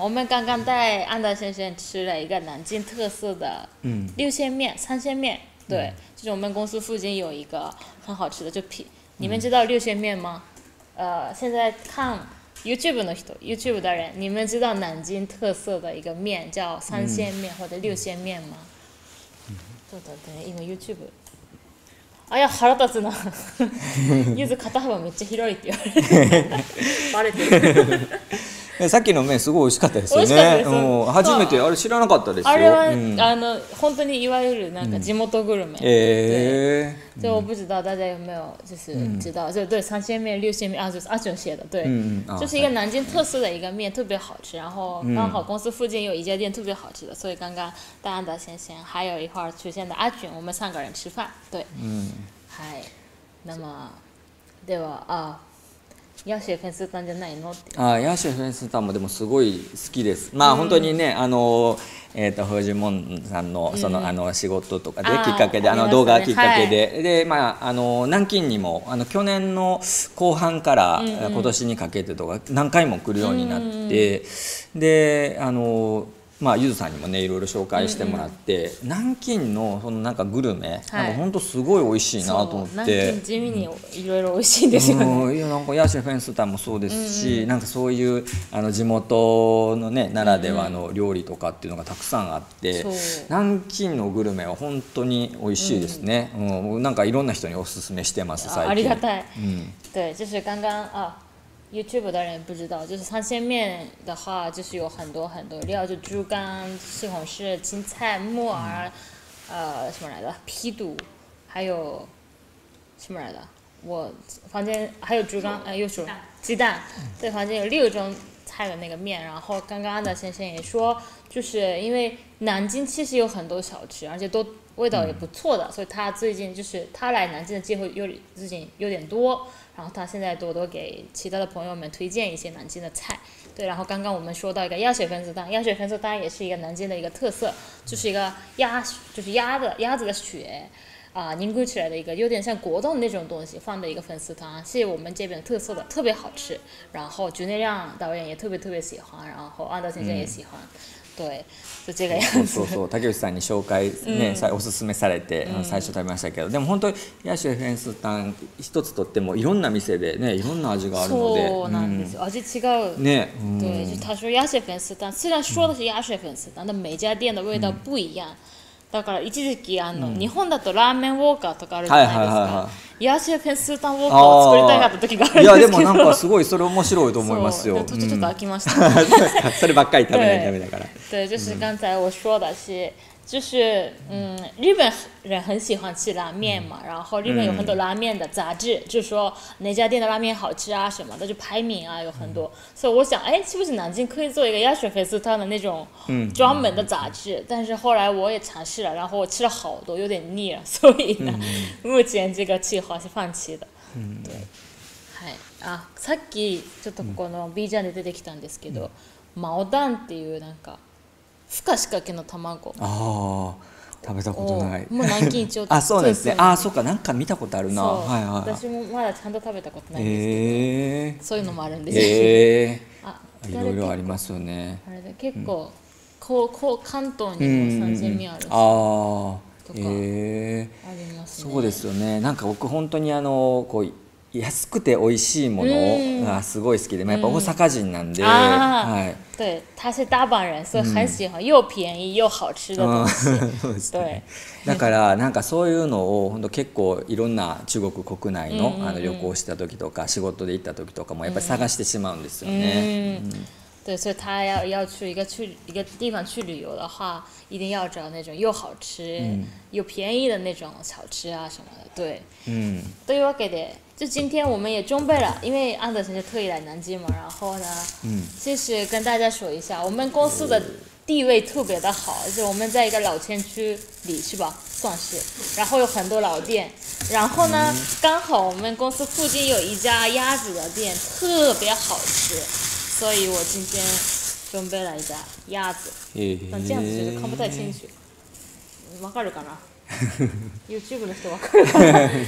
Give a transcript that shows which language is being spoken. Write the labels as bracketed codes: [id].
[zh] 我们刚刚带安达先生吃了一个南京特色的六鲜面、三鲜面，对，就是我们公司附近有一个很好吃的，就你们知道六鲜面吗？现在看YouTube 的人 ，YouTube 的人，你们知道南京特色的一个面叫三鲜面或者六鲜面吗？对对对，因为 YouTube， 哎呀， [ja] 腹立つな。ゆず肩幅めっちゃ広いって言われてる。さっきの麺すごい美味しかったですよね。美味しかったです。初めてあれ知らなかったですよ。あれは本当にいわゆるなんか地元グルメ。 [zh] 就我不知道大家有没有就是知道，就对三鲜面、六鲜面啊，就是阿俊写的，对，就是一个南京特色的一个面，特别好吃。然后刚好公司附近有一家店特别好吃的，所以刚刚大安达先生还有一会儿出现的阿俊，我们三个人吃饭，对，嗨，那么对吧？ [ja] 啊，ヤシェフェンスタンじゃないの？啊，ヤシェフェンスタンもでもすごい好きです。まあ本当にね、フジモンさん の, その, あの仕事とかできっかけで、動画きっかけで、はい、で、まあ、南京にも去年の後半から今年にかけてとか何回も来るようになって、で、まあ、ゆずさんにもね、いろいろ紹介してもらって、南京 の, そのなんかグルメ、なんか本当すごい美味しいなと思って、はい、南京地味にいろいろ美味しいんですよね。なんかヤシェフェンスタンもそうですし、なんかそういう地元のね、ならではの料理とかっていうのがたくさんあって、南京のグルメは本当に美味しいですね。なんかいろんな人におすすめしてます、最近。ありがたい。 [zh] 对，就是刚刚啊。 YouTube 的人不知道，就是三鲜面的话，就是有很多很多料，就猪肝、西红柿、青菜、木耳，什么来的？皮肚，还有什么来的？我房间还有猪肝，又是鸡蛋。对，房间有六种菜的那个面。然后刚刚安达先生也说，就是因为南京其实有很多小吃，而且都味道也不错的，所以他最近就是他来南京的机会最近有点多。然后他现在多多给其他的朋友们推荐一些南京的菜，对。然后刚刚我们说到一个鸭血粉丝汤，鸭血粉丝汤也是一个南京的一个特色，就是一个鸭，就是鸭子的血啊凝固起来的一个有点像果冻那种东西放的一个粉丝汤，是我们这边特色的，特别好吃。然后菊内亮导演也特别特别喜欢，然后安达先生也喜欢。对，就这个样子。 [ja] そうそう、竹内さんに紹介ね、おすすめされて最初食べましたけど、でも本当にヤシェフェンスタン一つとってもいろんな店でね、いろんな味があるので、そうなんです。味違う。ね。 [zh] 对，他说ヤシェフェンスタン，虽然说的是ヤシェフェンスタン，但每家店的味道不一样。 [ja] だから一時期日本だとラーメンウォーカーとかあるじゃないですか。はいはいはいはい。ヤシェフェンスタンウォーカーを作りたかった時があるんですけど。いやでもなんかすごいそれ面白いと思いますよ。ちょっと飽きました。そればっかり食べないとダメだから。 [zh] 对，就是刚才我说的是，就是日本人很喜欢吃拉面嘛，然后日本有很多拉面的杂志，就说哪家店的拉面好吃啊什么的，就排名啊有很多。所以我想，哎，是不是南京可以做一个鸭血粉丝汤的那种专门的杂志？但是后来我也尝试了，然后我吃了好多，有点腻了，所以目前这个计划是放弃的。 [ja] 对，嗨，啊，さっきちょっとこの B站で出てきたんですけど。マオダンっていうなんか孵化仕掛けの卵。ああ、食べたことない。もう南京町あ、そうですね。あ、そうか、なんか見たことあるな。はいはい、私もまだちゃんと食べたことないんですけど、そういうのもあるんですよ。あ、いろいろありますよね。あれで結構、うん、こう関東にも3000 味あるし、うん、ありますね。そうですよね。なんか僕本当にあのこう安くて美味しいものがすごい好きで、まやっぱ大阪人なんで、はい、 [zh] 对，他是大阪人，所以很喜欢又便宜又好吃的东西。对， [ja] だからなんかそういうのを本当結構いろんな中国国内のあの旅行した時とか仕事で行った時とかもやっぱり探してしまうんですよね。 [zh] 对，所以他要去一个地方去旅游的话，一定要找那种又好吃又便宜的那种小吃啊什么的。 [ja] 对，というわけで。 [zh] 就今天我们也准备了，因为安德先生特意来南京嘛，然后呢，其实跟大家说一下，我们公司的地位特别的好，就我们在一个老片区里是吧，算是，然后有很多老店，然后呢，刚好我们公司附近有一家鸭子的店，特别好吃，所以我今天准备了一家鸭子，但这样子其实看不太清楚， [ja] わかるかな？YouTube の人わかるかな？